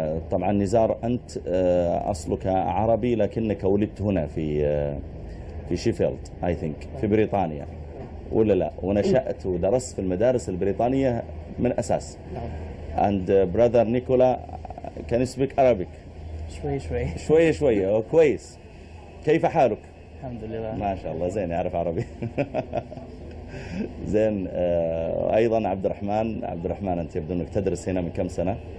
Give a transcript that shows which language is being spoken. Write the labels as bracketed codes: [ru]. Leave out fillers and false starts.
[ar] طبعا نزار أنت أصلك عربي لكنك ولدت هنا في شيفيلد [en] I think [ar] في بريطانيا ولا لا، ونشأت ودرست في المدارس البريطانية من أساس. [en] And brother Nicola can you speak Arabic؟ [ar] شوي شوي شوي شوي. كويس، كيف حالك؟ الحمد لله، ما شاء الله، زين، يعرف عربي. زين. أيضا عبد الرحمن أنت يبدو أنك تدرس هنا من كم سنة؟